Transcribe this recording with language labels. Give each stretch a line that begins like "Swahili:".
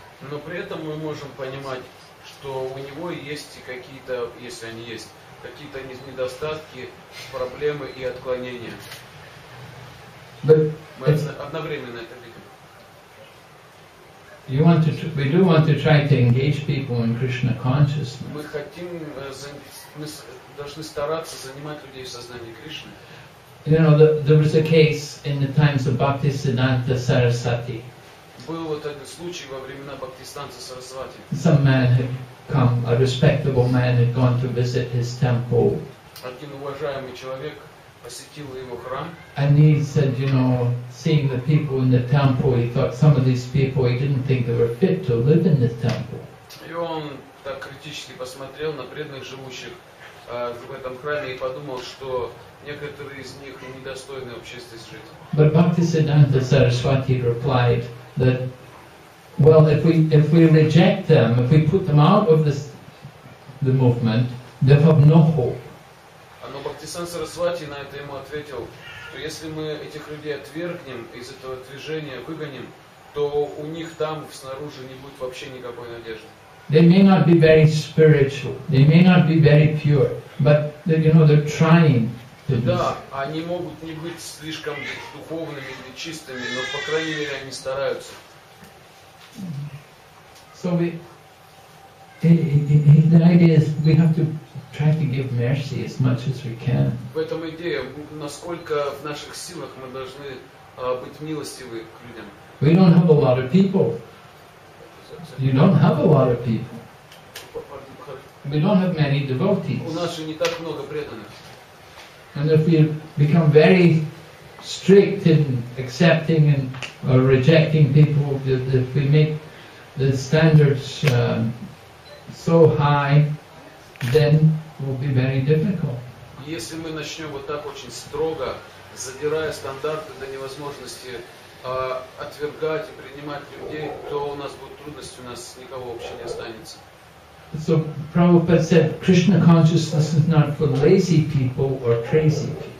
Russian: Но при этом мы можем понимать, что у него есть какие-то, если они есть, какие-то недостатки, проблемы и отклонения. Мы одновременно это видим.
English: We do want to try to engage people in Krishna consciousness.
Russian: Мы должны стараться занимать людей в сознании Кришны.
English: You know, there was a case in the times of Bhaktisiddhanta Sarasvati.
Russian: Был вот этот случай во времена Бхактисиддханты Сарасвати.
English: Some man had come, a respectable man had gone to visit his temple.
Russian: Один уважаемый человек посетил его храм.
English: And he said, you know, seeing the people in the temple, he thought some of these people, he didn't think they were fit to live in the temple.
Russian: И он так критически посмотрел на преданных живущих в этом храме и подумал, что некоторые из них недостойны вообще здесь жить.
English: But Bhaktisiddhanta Saraswati replied that, well, if we reject them, if we put them out of the movement, they have no hope.
Russian: Но Бхактисиддханта Сарасвати на это ему ответил, что если мы этих людей отвергнем из этого движения, выгоним, то у них там снаружи не будет вообще никакой надежды.
English: They may not be very spiritual, they may not be very pure, but you know they're trying.
Russian: Да, они могут не быть слишком духовными или чистыми, но по крайней мере они стараются.
English: So the idea is we have to try to give mercy as much as we can.
Russian: В этом идея, насколько в наших силах мы должны быть милостивы к людям.
English: We don't have a lot of people. You don't have a lot of people. We don't have many devotees.
Russian: У нас же не так много преданных.
English: And if we become very strict in accepting and or rejecting people, if we make the standards so high, then it will be very difficult.
Russian: Если мы начнем вот так очень строго, задирая стандарты до невозможности, отвергать и принимать людей, то у нас будет трудность, у нас никого вообще не останется.
English: So Prabhupada said, Krishna consciousness is not for lazy people or crazy